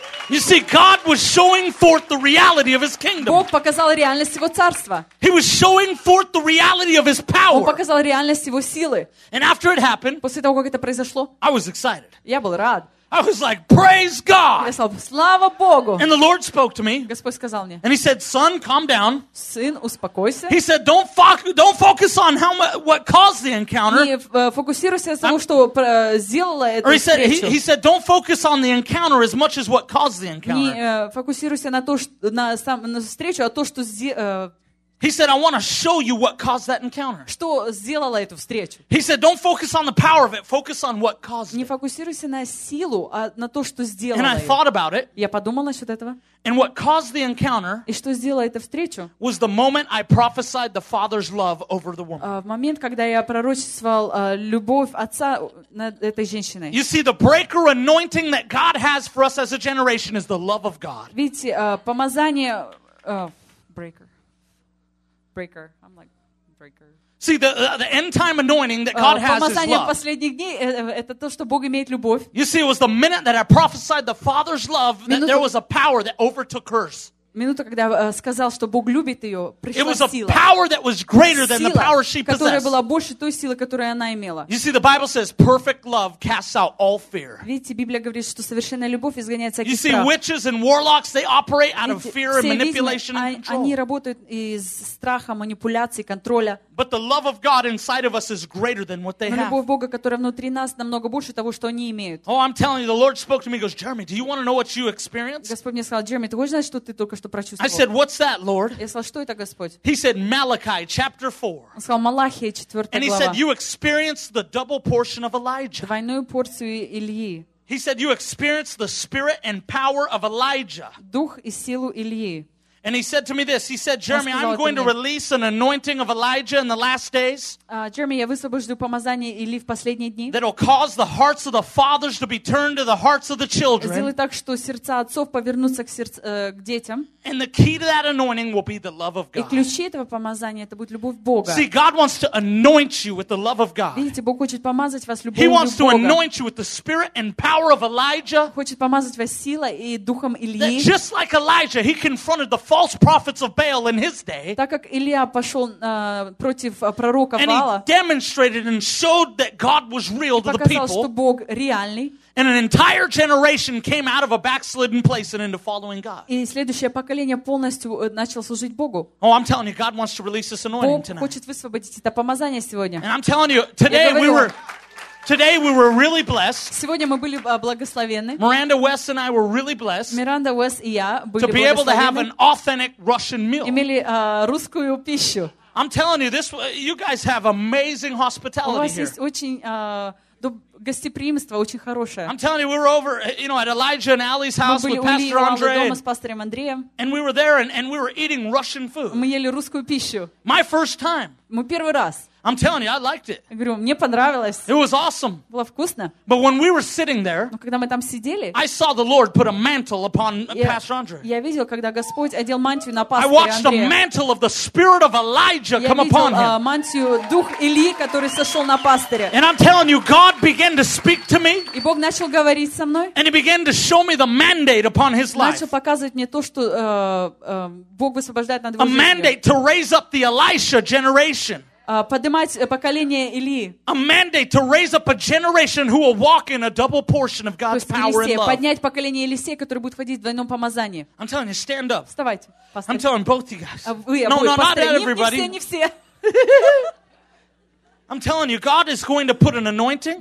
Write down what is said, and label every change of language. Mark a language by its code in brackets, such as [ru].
[en] You see, God was showing forth the reality of His kingdom. [ru] Бог показал реальность Его царства. [en] He was showing forth the reality of His power. [ru] Он показал реальность Его силы. [en] And after it happened, [ru] после того как это произошло, [en] I was excited. [ru] Я был рад. [en] I was like, praise God. [ru] Я сказал, слава Богу. [en] And the Lord spoke to me. [ru] Господь сказал мне. [en] And He said, son, calm down. [ru] Сын, успокойся. [en] He said, don't focus on how what caused the encounter. [ru] Не фокусируйся на том, что сделало эту встречу. [en] He said, don't focus on the encounter as much as what caused the encounter. [ru] Не фокусируйся на то, на встречу, а то, что [en] He said, I want to show you what caused that encounter. [ru] Что сделало эту встречу? [en] He said, don't focus on the power of it, focus on what caused it. [ru] Не фокусируйся на силу, а на то, что сделало. [en] And I thought about it. [ru] Я подумал насчет этого. [en] And what caused the encounter? [ru] И что сделало эту встречу? [en] Was the moment I prophesied the Father's love over the woman. [ru] В момент, когда я пророчествовал любовь отца над этой женщиной. [en] You see, the breaker anointing that God has for us as a generation is the love of God. [ru] Видите, помазание breaker. [en] I'm like breaker. See the end time anointing that God has is love. [ru] Помазание последних дней это то, что Бог имеет любовь. [en] You see, it was the minute that I prophesied the Father's love that there was a power that overtook hers. [ru] Минута, когда сказал, что Бог любит ее, пришла [en] it was a [ru] сила. [en] Power that was greater than [ru] сила, [en] the power she possessed. [ru] Которая была больше той силы, которую она имела. [en] You see, the Bible says perfect love casts out all fear. [ru] Видите, Библия говорит, что совершенная любовь изгоняет всякий [en] you [ru] страх. [en] You see, witches and warlocks, they operate out of fear and manipulation [ru] ведьмы, [en] and control. [ru] Они работают из страха, манипуляций, контроля. [en] But the love of God inside of us is greater than what they [ru] Но [en] have. [ru] Любовь Бога, которая внутри нас, намного больше того, что они имеют. [en] Oh, I'm telling you, the Lord spoke to me, goes, Jeremy, do you want to know what you experienced? [ru] Господь мне сказал, Джереми, ты хочешь знать, что ты только что [en] I said, "What's that, Lord?" He said, "Malachi, chapter 4." [ru] Он сказал, Малахия, 4 глава. [en] And he said, "You experienced the double portion of Elijah." [ru] Двойную порцию Ильи. [en] He said, "You experienced the spirit and power of Elijah." [ru] Дух и силу Ильи. [en] And he said to me this. He said, "Jeremy, I'm going to release an anointing of Elijah in the last days." [ru] Jeremy, я высвобожу помазание Ильи в последние дни. [en] That'll cause the hearts of the fathers to be turned to the hearts of the children. [ru] Сделай так, что сердца отцов повернутся к детям. [en] And the key to that anointing will be the love of God. [ru] И ключ этого помазания это будет любовь Бога. [en] See, God wants to anoint you with the love of God. [ru] Видите, Бог хочет помазать вас любовью Бога. [en] He wants to anoint you with the spirit and power of Elijah. [ru] Хочет помазать вас силой и духом Илии. [en] Just like Elijah, he confronted the false prophets of Baal in his day. [ru] Так как Илия пошел против пророка Баала. [en] And he demonstrated and showed that God was real to the people. [ru] Показал, что Бог реальный. [en] And an entire generation came out of a backslidden place and into following God. [ru] И следующее поколение полностью начало служить Богу. [en] Oh, I'm telling you, God wants to release this anointing tonight. [ru] Бог хочет высвободить это помазание сегодня. [en] And I'm telling you, today we were really blessed. [ru] Сегодня мы были благословены. [en] Miranda West and I were really blessed. [ru] Miranda West и я были благословены. [en] To be able to have an authentic Russian meal. [ru] Имели русскую пищу. [en] I'm telling you, this you guys have amazing hospitality here. [ru] У вас есть очень гостеприимство очень хорошее. [en] I'm telling you, we were over, you know, at Elijah and Ali's house with Pastor Andre. [ru] Мы были у дома с пастором Андреем. [en] And we were there, and we were eating Russian food. [ru] Мы ели русскую пищу. [en] My first time. [ru] Мой первый раз. [en] I'm telling you, I liked it. [ru] Я говорю, мне понравилось. [en] It was awesome. [ru] Было вкусно. [en] But when we were sitting there, [ru] но когда мы там сидели, [en] I saw the Lord put a mantle upon Pastor Andre. [ru] Я видел, когда Господь одел мантию на пастора Андрея. [en] I watched the mantle of the Spirit of Elijah come upon him. [ru] Я видел мантию дух Илии, который сошел на пастора. [en] And I'm telling you, God began to speak to me. [ru] И Бог начал говорить со мной. [en] And He began to show me the mandate upon His life. [ru] Начал показывать мне то, что Бог высвобождает над его жизнью. [en] A mandate to raise up the Elisha generation. [ru] Поднимать поколение Ильи. [en] A mandate to raise up a generation who will walk in a double portion of God's power and love. [ru] Поднять поколение Елисея, который будет ходить в двойном помазании. [en] I'm telling you, stand up. [ru] Вставайте, пастор. [en] I'm telling both you guys. [ru] Вы, [en] no, [ru] обои, [en] no, [ru] пастор, [en] not everybody. [ru] Не все, не все. [en] I'm telling you, God is going to put an anointing.